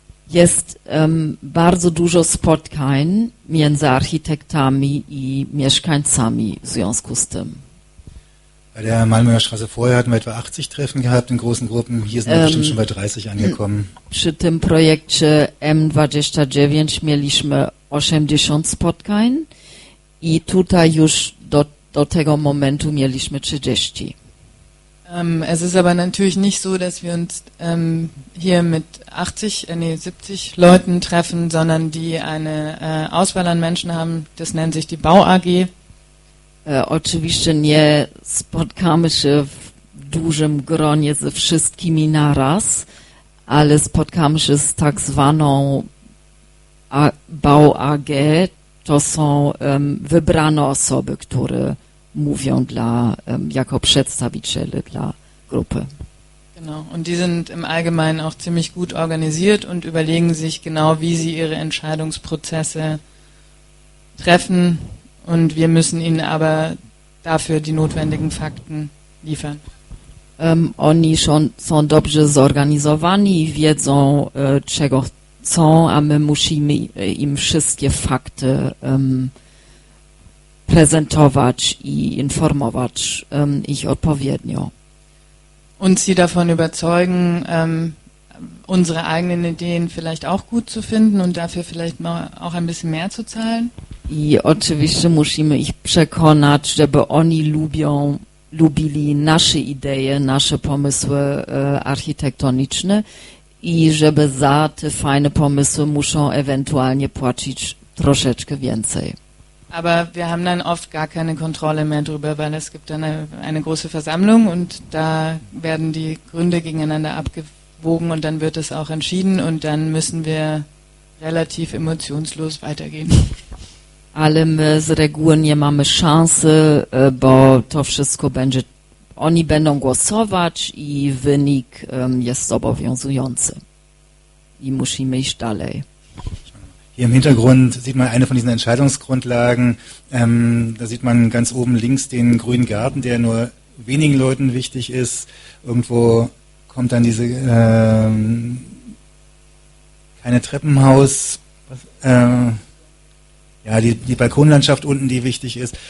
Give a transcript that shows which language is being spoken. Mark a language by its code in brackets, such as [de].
[pl] Jest bardzo dużo spotkań między architektami i mieszkańcami w związku z tym. [de] Bei der Malmöer Straße vorher hatten wir etwa 80 Treffen gehabt in großen Gruppen. Hier sind wir bestimmt schon bei 30 angekommen. [pl] Przy tym projekcie M29 mieliśmy 80 spotkań i tutaj już do tego momentu mieliśmy 30. [de] Es ist aber natürlich nicht so, dass wir uns hier mit 70 Leuten treffen, sondern die eine Auswahl an Menschen haben, das nennt sich die Bau-AG. [pl] Oczywiście nie spotkamy się w dużym gronie ze wszystkimi naraz, ale spotkamy się z tak zwaną Bau-AG. To są wybrane osoby, które mówią dla jako przedstawiciele dla grupy. [de] Genau, und die sind im Allgemeinen auch ziemlich gut organisiert und überlegen sich genau, wie sie ihre Entscheidungsprozesse treffen und wir müssen ihnen aber dafür die notwendigen Fakten liefern. [pl] Oni [de] schon [pl] są dobrze zorganizowani, wiedzą czego chcą, a my musimy im wszystkie fakty prezentować i informować ich odpowiednio. [de] Und sie davon überzeugen, unsere eigenen Ideen vielleicht auch gut zu finden und dafür vielleicht mal auch ein bisschen mehr zu zahlen. [pl] I oczywiście musimy ich przekonać, żeby oni lubili nasze idee, nasze pomysły architektoniczne i żeby za te fajne pomysły muszą ewentualnie płacić troszeczkę więcej. [de] Aber wir haben dann oft gar keine Kontrolle mehr drüber, weil es gibt dann eine große Versammlung und da werden die Gründe gegeneinander abgewogen und dann wird es auch entschieden und dann müssen wir relativ emotionslos weitergehen. [pl] Ale my z reguły nie mamy szansy, bo to wszystko będzie, oni będą głosować i wynik jest obowiązujący i musimy iść dalej. [de] Hier im Hintergrund sieht man eine von diesen Entscheidungsgrundlagen. Da sieht man ganz oben links den grünen Garten, der nur wenigen Leuten wichtig ist. Irgendwo kommt dann diese kleine Treppenhaus, die Balkonlandschaft unten, die wichtig ist.